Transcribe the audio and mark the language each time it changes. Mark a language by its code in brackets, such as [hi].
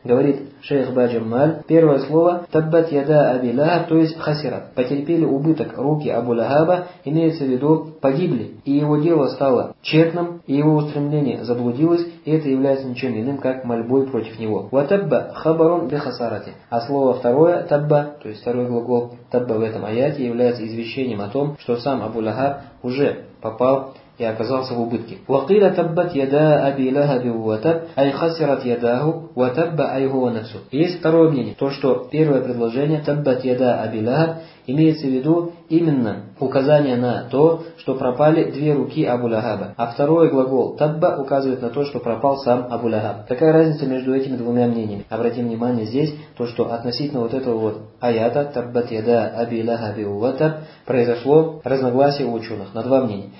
[ru] Говорит шейх Баджаммаль: первое слово [ar] «таббат яда Аби Лахаб», [ru] то есть «хасират», потерпели убыток руки Абу Лахаба, имеется в виду погибли, и его дело стало тщетным, и его устремление заблудилось, и это является ничем иным, как мольбой против него. [ar] «Ватабба хабарун бихасарати». [ru] А слово второе «табба», то есть второй глагол «табба» в этом аяте, является извещением о том, что сам Абу Лахаб уже попал и оказался в убытке. [ar] وقيل تبت يدا أبي لهب وتب أي خسرت يداه وتب أي هو نفسه. [ru] Есть второе мнение, то что первое предложение [ar] تبت يدا أبي لهب [ru] имеется в виду именно указание на то, что пропали две руки Абу Лахаба. А второй глагол «табба» указывает на то, что пропал сам Абу Лахаб. Какая разница между этими двумя мнениями? Обратим внимание здесь, то что относительно вот этого вот аята [ar] «таббат яда Аби Лахаби ва таб» [ru] произошло разногласие у ученых на два мнения.